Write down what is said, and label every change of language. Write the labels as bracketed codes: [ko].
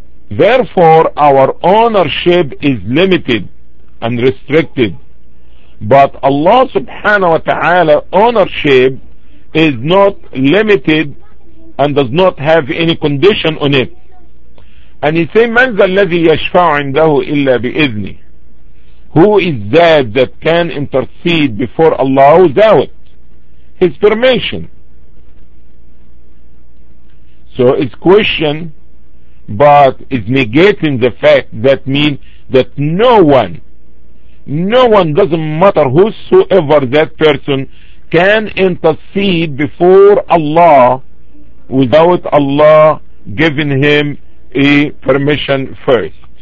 [en] Therefore, our ownership is limited and restricted. But Allah subhanahu wa ta'ala ownership is not limited and does not have any condition on it. And he say, [ar] من ذا الذي يشفع عنده إلا بإذنه. [en] Who is that can intercede before Allah without his permission? So his question, but is negating the fact that mean that no one, doesn't matter whosoever that person, can intercede before Allah without Allah giving him a permission first.